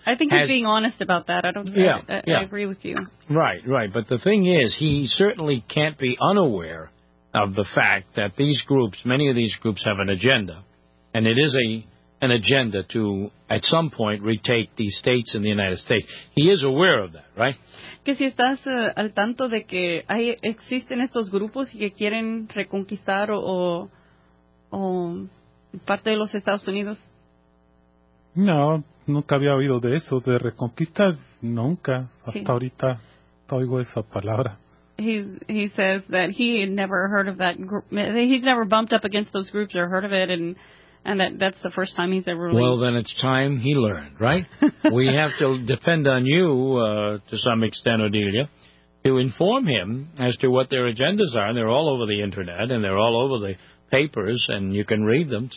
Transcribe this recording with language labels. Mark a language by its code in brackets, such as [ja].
[en] I think he's being honest about that. I agree with you. Right, right. But the thing is, he certainly can't be unaware of the fact that these groups, many of these groups, have an agenda. And it is an agenda to, at some point, retake these states in the United States. He is aware of that, right? [es] Que si estás al tanto de que existen estos grupos y que quieren reconquistar o parte de los Estados Unidos. No, nunca había oído de eso, de reconquista, nunca. Hasta ahorita oigo esa palabra. [en] He says that he had never heard of that group. He's never bumped up against those groups or heard of it, and that's the first time he's ever. Well, then it's time he learned, right? We have to depend on you to some extent, Odilia, to inform him as to what their agendas are. And they're all over the internet, and they're all over the papers, and you can read them.